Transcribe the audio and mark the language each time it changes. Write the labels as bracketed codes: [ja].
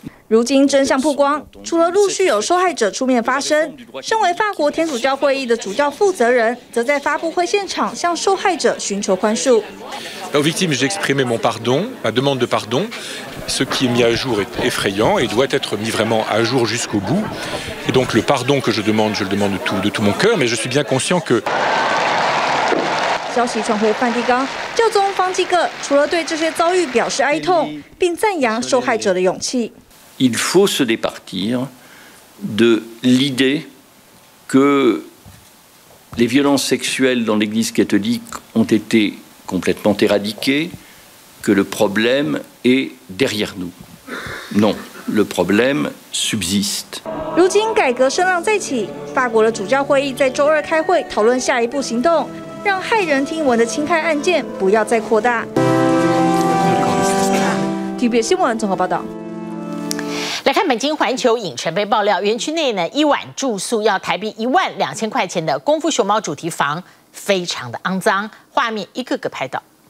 [zh] 如今真相曝光，除了陆续有受害者出面发声，身为法国天主教会议的主教负责人，则在发布会现场向受害者寻求宽恕。 [fr] Aux victimes, j'ai exprimé mon pardon, ma demande de pardon. Ce qui est mis à jour est effrayant et doit être mis vraiment à jour jusqu'au bout. Et donc le pardon que je le demande de tout mon cœur, mais je suis bien conscient que. [zh] 消息传回梵蒂冈，教宗方济各除了对这些遭遇表示哀痛，并赞扬受害者的勇气。 [fr] Il faut se départir de l'idée que les violences sexuelles dans l'Église catholique ont été complètement éradiquées, que le problème est derrière nous. Non, le problème subsiste. [zh] 如今改革声浪再起，法国的主教会议在周二开会讨论下一步行动，让骇人听闻的侵害案件不要再扩大。 TVBS 新闻综合报道。来看本金环球影城被爆料，园区内呢一晚住宿要台币12000块钱的功夫熊猫主题房非常的肮脏，画面一个个拍到。